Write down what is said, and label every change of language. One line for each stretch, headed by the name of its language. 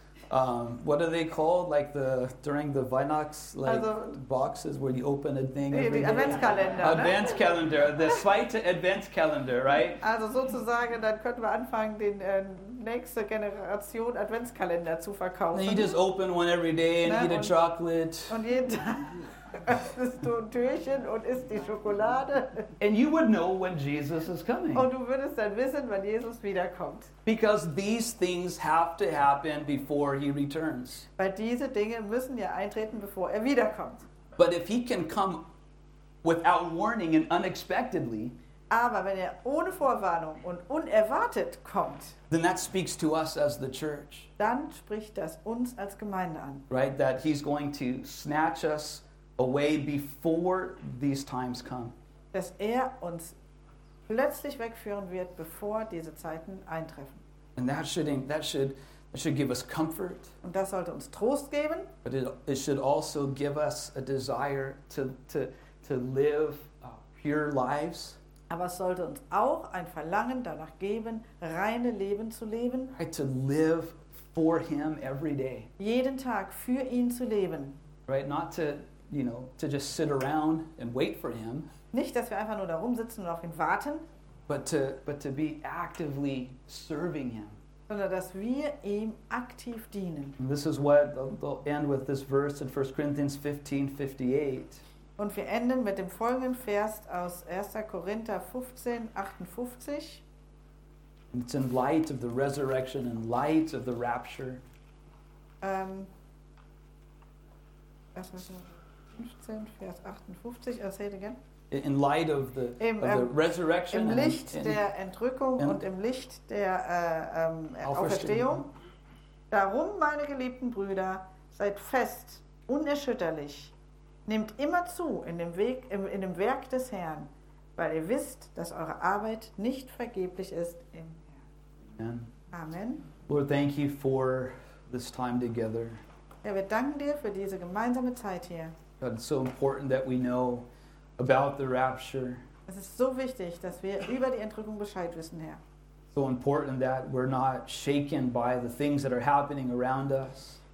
English: What are they called? Like the during the
German: Weihnachts,
English: like also, boxes where you open a thing.
German: Nee,
English: every the Adventskalender.
German: Ne? Adventskalender, the zweite Adventskalender, right? Also sozusagen, dann könnten wir anfangen, den nächste Generation Adventskalender zu verkaufen.
English: And you just open one every day and ne? Eat a chocolate.
German: Und jeden Tag isst du ein Türchen und isst die Schokolade.
English: And you would know when Jesus is coming.
German: Und du würdest dann wissen, wann Jesus wiederkommt.
English: Because these things have to happen before he returns.
German: Weil diese Dinge müssen ja eintreten, bevor er wiederkommt.
English: But if he can come without warning and unexpectedly,
German: aber wenn er ohne Vorwarnung und unerwartet kommt,
English: then that speaks to us as the church.
German: Dann spricht das uns als Gemeinde an.
English: Right, that he's going to snatch us away before these times come.
German: Dass er uns plötzlich wegführen wird, bevor diese Zeiten eintreffen.
English: And that should give us comfort.
German: Und das sollte uns Trost geben.
English: But it should also give us a desire to live pure lives.
German: Aber es sollte uns auch ein Verlangen danach geben, reine Leben zu leben.
English: Right, to live for him every day.
German: Jeden Tag für ihn zu leben.
English: Right, not to, you know, to just sit around and wait for him.
German: Nicht, dass wir einfach nur da rumsitzen und auf ihn warten.
English: But to be actively serving him.
German: Sondern, dass wir ihm aktiv dienen.
English: And this is what I'll end with this verse in 1 Corinthians 15:58.
German: Und wir enden mit dem folgenden Vers aus 1. Korinther 15, 58.
English: And it's in light of the resurrection, in light of the rapture. 15, Vers 58, I'll say it again. In light of the, the resurrection.
German: Im Licht der Entrückung und im Licht der Auferstehung. Darum, meine geliebten Brüder, seid fest, unerschütterlich. Nehmt immer zu in dem Weg, in dem Werk des Herrn, weil ihr wisst, dass eure Arbeit nicht vergeblich ist im Herrn. Amen.
English: Lord, thank you for this time together.
German: Ja, wir danken dir für diese gemeinsame Zeit hier.
English: God, it's so important that we know about the rapture.
German: Es ist so wichtig, dass wir über die Entrückung Bescheid wissen, Herr.
English: So important that we're not shaken by the things that are happening around us.